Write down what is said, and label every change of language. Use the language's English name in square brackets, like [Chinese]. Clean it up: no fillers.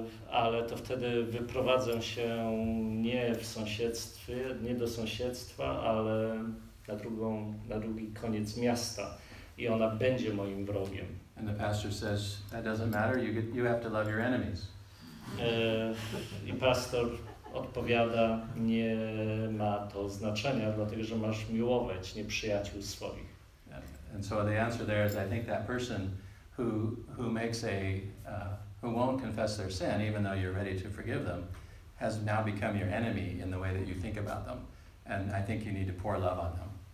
[Polish] Ale to wtedy wyprowadzę się nie w sąsiedztwie, nie do sąsiedztwa, ale na drugi koniec miasta i ona będzie moim wrogiem. [English] And the pastor says, that doesn't matter, you have to love your enemies. [Polish] I pastor odpowiada, nie ma to znaczenia, dlatego że masz miłować nieprzyjaciół swoich. [English] And so the answer there is, I think that person who makes a who won't confess their sin, even though you're ready to forgive them, has now become your enemy in the way that you think about them. And I think you need to pour love on them.